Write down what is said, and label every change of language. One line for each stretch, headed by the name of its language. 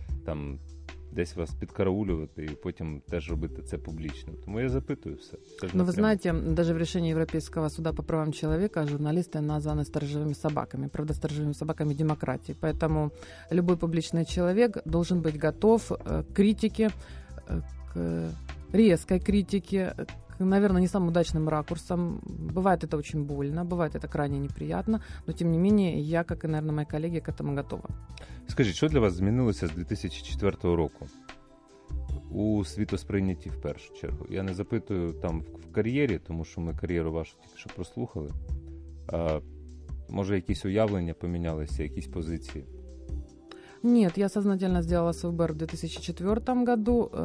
Ukrainian: Там десь вас підкараулювати і потім теж робити це публічно. Тому я запитую все. Ну, ви знаєте, навіть в рішенні Європейського суду по правам чоловіка журналісти названі сторожевими собаками. Правда, сторожевими собаками демократії. Тому будь-який публічний чоловік має бути готов до критики,
Russian: к резкой критике, к, наверное, не самым удачным ракурсам. Бывает это очень больно, бывает это крайне неприятно, но, тем не менее, я, как и, наверное, мои коллеги, к этому готова. Скажите, что для вас изменилось с 2004 года?
Ukrainian: У світосприйнятті в першу чергу. Я не запитую там в кар'єрі, тому що ми кар'єру вашу тільки що прослухали. А, може, якісь уявлення помінялися, якісь позиції? Ні, я сознательно зробила свій вибір в 2004 году.